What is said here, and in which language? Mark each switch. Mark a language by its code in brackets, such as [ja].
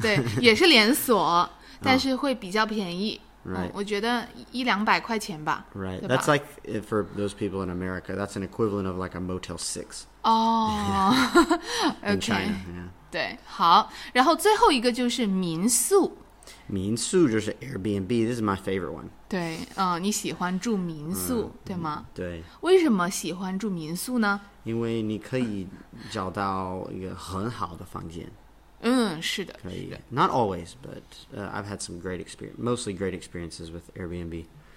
[zh] 对也是连锁但是会比较便宜、 [en] Right. [zh] 我觉得一两百块钱吧。 [en] Right. That's like, for those people in America, that's an equivalent of like a Motel 6. Oh. Okay. In China, yeah. [zh] 对,好,然后最后一个就是民宿。民宿就是 [en] Airbnb, this is my favorite one. [zh] 对,你喜欢住民宿,对吗? 对。为什么喜欢住民宿呢?因为你可以找到一个很好的房间。嗯,是的。可以,not [en] always, but I've had some great experience, mostly great experiences with Airbnb.